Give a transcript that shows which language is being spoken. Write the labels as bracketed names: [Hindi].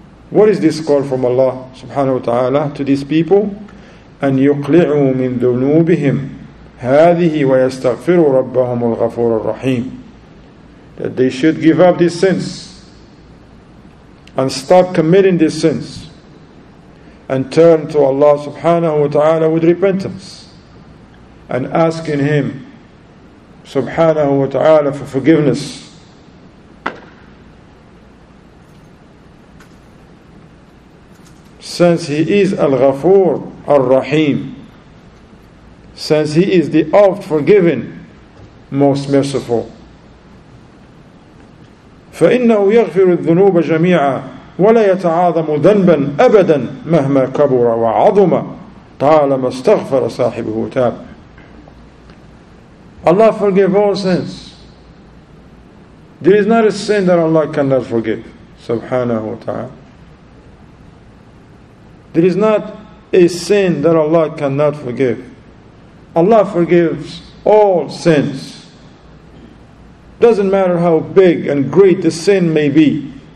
[English] What is this call from Allah subhanahu wa ta'ala to these people? [Arabic] أن يقلعوا من ذنوبهم هذه ويستغفروا ربهم الغفور الرحيم. [English] That they should give up these sins and stop committing these sins and turn to Allah subhanahu wa ta'ala with repentance and asking Him subhanahu wa ta'ala for forgiveness. Since He is Al-Ghafoor Al-Rahim, since He is the oft-forgiven, most merciful. [Arabic] فَإِنَّهُ يَغْفِرُ الذُّنُوبَ جَمِيعًا ولا يتعاظم ذنبا أبدا مهما كبر وعظم طالما استغفر صاحبه تاب. [English] Allah forgave all sins. There is not a sin that Allah cannot forgive. Subhanahu wa ta'ala. There is not a sin that Allah cannot forgive. Allah forgives all sins. Doesn't matter how big and great the sin may be.